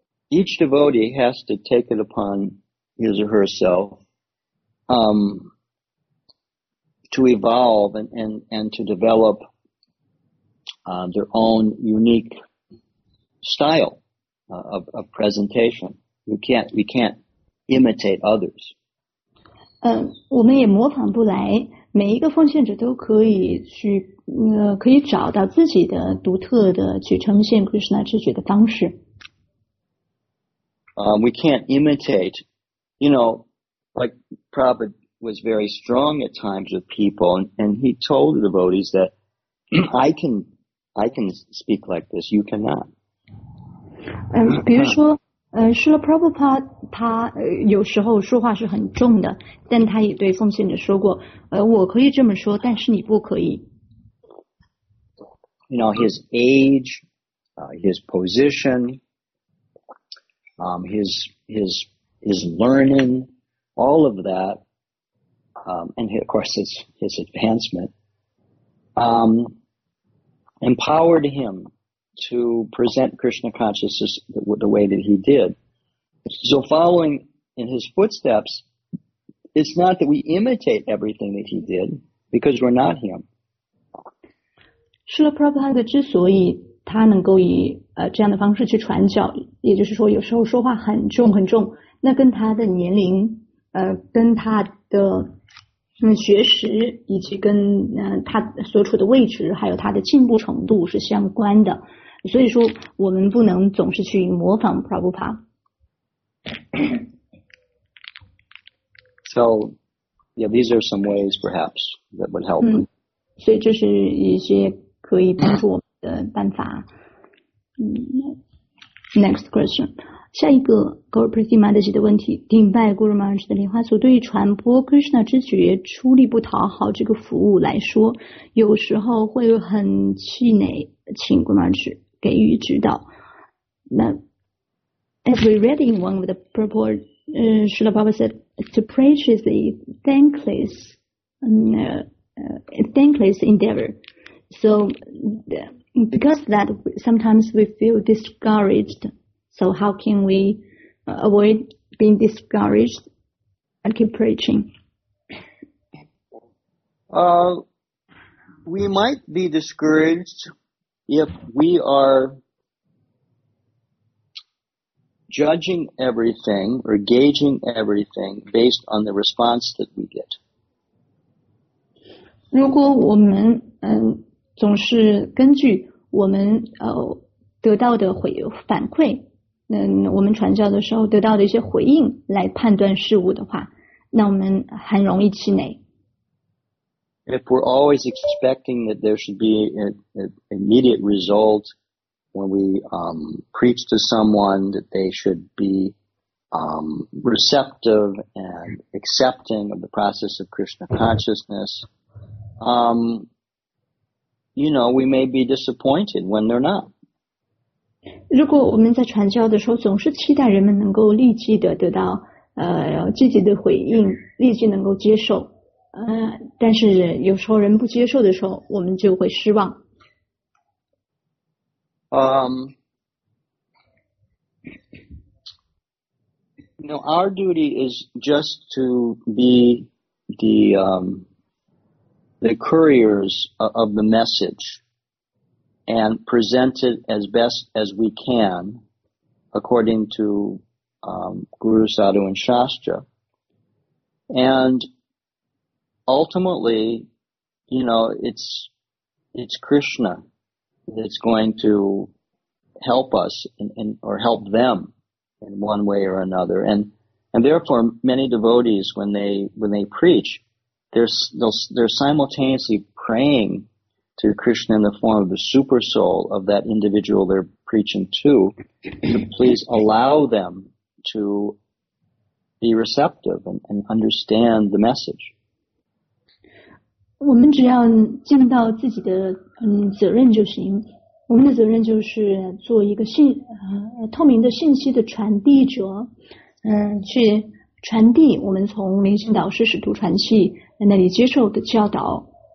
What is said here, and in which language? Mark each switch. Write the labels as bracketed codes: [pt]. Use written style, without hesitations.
[en] Each devotee has to take it upon his or herself to evolve and to develop their own unique style of presentation. We can't imitate others. [zh] 我们也模仿不来，每一个奉献者都可以去可以找到自己的独特的去呈现 Krishna 知觉的方式。 [en] We can't imitate, you know, like Prabhupada was very strong at times with people, and he told the devotees that I can I can speak like this, you cannot. [zh] 比如说Srila Prabhupada 他有时候说话是很重的，但他也对奉献者说过我可以这么说，但是你不可以。 [en] You know, his age, his position, his learning, all of that, and of course his advancement, empowered him to present Krishna consciousness the way that he did. So following in his footsteps, it's not that we imitate everything that he did, because we're not him. [zh] Srila Prabhupada 之所以他能够以这样的方式去传教，也就是说有时候说话很重很重，那跟他的年龄跟他的学识，以及跟他所处的位置，还有他的进步程度是相关的。所以说我们不能总是去模仿 Prabhupada。 [en] So yeah, these are some ways perhaps that would help. [zh] 所以这是一些可以帮助我们的办法。 [en] Next question. [zh] 下一个 Guru Prithi Madhaji 的问题，顶拜 Guru Maharaj 的莲花所对于传播 Krishna 之觉出力不讨好这个服务来说，有时候会很气馁，请 Guru Maharaj给予指导。 [en] 那 as we read in one of the purport, Srila Prabhupada said to preach is a thankless endeavor. So because of that, sometimes we feel discouraged. So how can we avoid being discouraged and keep preaching? We might be discouraged if we are judging everything or gauging everything based on the response that we get. [zh] 如果我们总是根据我们得到的反馈，我们传教的时候得到的一些回应来判断事物的话，那我们很容易气馁。 [en] If we're always expecting that there should be an immediate result when we preach to someone, that they should be receptive and accepting of the process of Krishna consciousness, you know, we may be disappointed when they're not. [zh] 如果我们在传教的时候总是期待人们能够立即的得到积极的回应，立即能够接受。但是有时候人不接受的时候，我们就会失望。 [en] You know, our duty is just to be the couriers of the message and present it as best as we can according to Guru, Sadhu, and Shastra. And ultimately, you know, it's Krishna that's going to help us or help them in one way or another. And therefore, many devotees, when they preach, they're simultaneously praying to Krishna in the form of the super soul of that individual they're preaching to please allow them to be receptive and understand the message. [zh] 我们只要尽到自己的责任就行。我们的责任就是做一个透明的信息的传递者，去传递我们从明星导师使徒传器那里接受的教导。